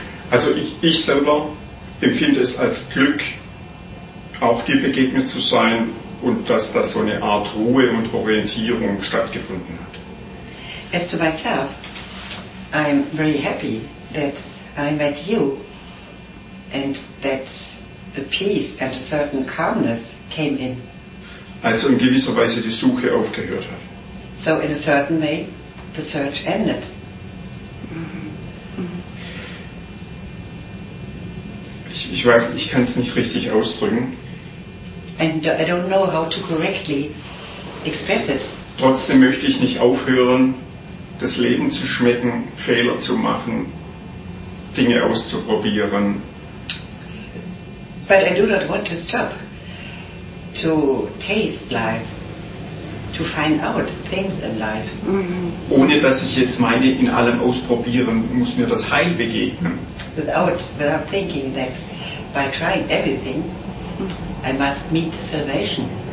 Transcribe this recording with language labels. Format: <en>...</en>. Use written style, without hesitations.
<de>Also ich selber empfinde es als Glück, auch dir begegnet zu sein. Und dass da so eine Art Ruhe und Orientierung stattgefunden hat.</de> <en>As to myself, I'm very happy that I met you and that a peace and a certain calmness came in.</en> <de>Also in gewisser Weise die Suche aufgehört hat.</de> <en>So in a certain way, the search ended.</en> <de>Ich weiß, ich kann es nicht richtig ausdrücken.</de> <en>And I don't know how to correctly express it.</en> <de>Trotzdem möchte ich nicht aufhören, das Leben zu schmecken, Fehler zu machen, Dinge auszuprobieren.</de> <en>But I do not want to stop to taste life, to find out things in life.</en> <de>Ohne dass ich jetzt meine, in allem ausprobieren, muss mir das Heil begegnen.</de> <en>Without thinking that by trying everything, I must meet salvation.</en>